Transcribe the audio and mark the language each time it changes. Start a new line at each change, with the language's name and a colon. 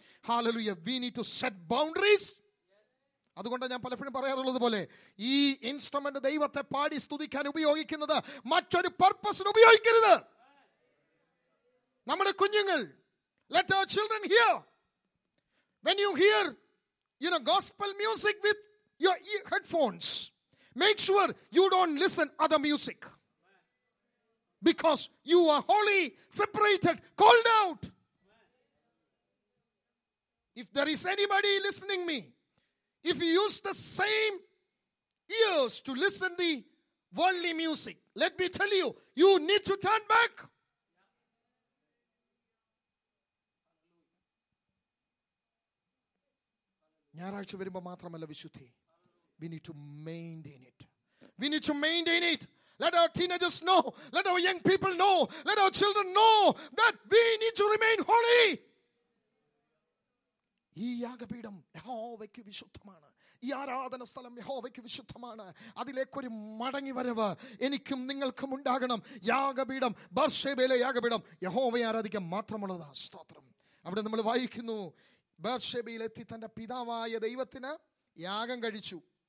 Malayalam: Hallelujah,
English: We need to set boundaries.
Malayalam: അതുകൊണ്ട് ഞാൻ പലപ്പോഴും പറയാറുള്ളത് പോലെ, ഈ ഇൻസ്ട്രുമെന്റ് ദൈവത്തെ പാടി സ്തുതിക്കാൻ ഉപയോഗിക്കുന്നത് മറ്റൊരു പർപ്പസിന് ഉപയോഗിക്കരുത്. നമ്മുടെ കുഞ്ഞുങ്ങൾ,
English: let our children hear. When you hear, you know, gospel music with your headphones, make sure you don't listen other music. Because you are holy, separated, called out. If there is anybody listening to me, if you use the same ears to listen the worldly music, let me tell you, you need to turn back.
Malayalam: ഞായറാഴ്ച വരുമ്പോൾ മാത്രമല്ല വിശുദ്ധി,
English: we need to maintain it. We need to maintain it. Let our teenagers know, let our young people know, let our children know that we need to remain holy.
Malayalam: ഈ യാഗപീഠം യഹോവയ്ക്ക് വിശുദ്ധമാണ്, ഈ ആരാധന സ്ഥലം യഹോവയ്ക്ക് വിശുദ്ധമാണ്. അതിലേക്കൊരു മടങ്ങി വരവ് എനിക്കും നിങ്ങൾക്കും ഉണ്ടാകണം. യാഗപീഠം, ബേർശേബയിലെ യാഗപീഠം യഹോവയെ ആരാധിക്കാൻ മാത്രമുള്ളതാ. സ്തോത്രം. അവിടെ നമ്മൾ വായിക്കുന്നു, ബേർശേബയിലെത്തി തന്റെ പിതാവായ ദൈവത്തിന് യാഗം കഴിച്ചു.